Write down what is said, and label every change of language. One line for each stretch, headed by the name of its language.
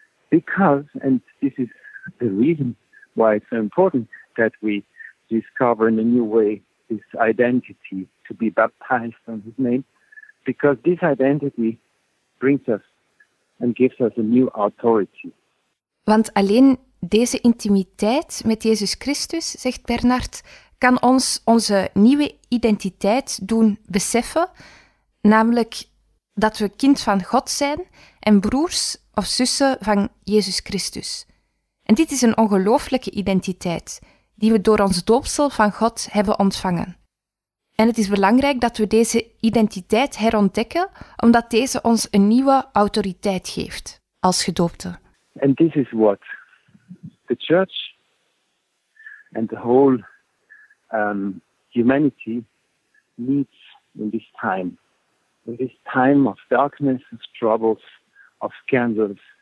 English: Because, and this is the reason why it's so important that we discover in a new way this identity, to be baptized on his name, because this identity brings us and gives us a new authority.
Dutch: Want alleen deze intimiteit met Jezus Christus, zegt Bernard, kan ons onze nieuwe identiteit doen beseffen, namelijk dat we kind van God zijn en broers of zussen van Jezus Christus. En dit is een ongelooflijke identiteit die we door ons doopsel van God hebben ontvangen. En het is belangrijk dat we deze identiteit herontdekken, omdat deze ons een nieuwe autoriteit geeft, als gedoopte.
English: And this is what the church and the whole humanity needs in this time. In this time of darkness, of troubles, of scandals.